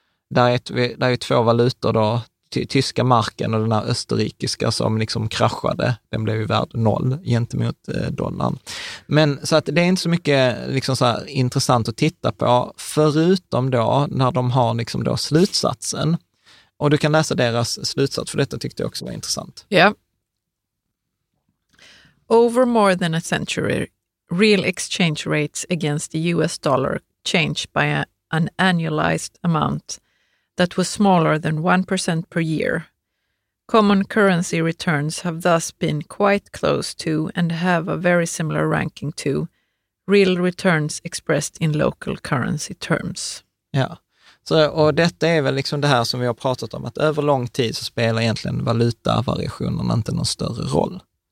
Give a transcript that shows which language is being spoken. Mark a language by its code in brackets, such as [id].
[sv] Där är två valutor då, tyska marken och den här österrikiska som liksom kraschade. Den blev ju värd noll gentemot dollarn. Men så att det är inte så mycket liksom så här intressant att titta på, förutom då när de har liksom då slutsatsen. Och du kan läsa deras slutsats, för detta tyckte jag också var intressant. Ja. Yeah. [en] Over more than a century, real exchange rates against the US dollar changed by an annualized amount that was smaller than 1% per year. Common currency returns have thus been quite close to and have a very similar ranking to real returns expressed in local currency terms. Yeah. [sv] Så, och detta är väl liksom det här som vi har pratat om, att över lång tid så spelar egentligen valutavariationerna inte någon större roll.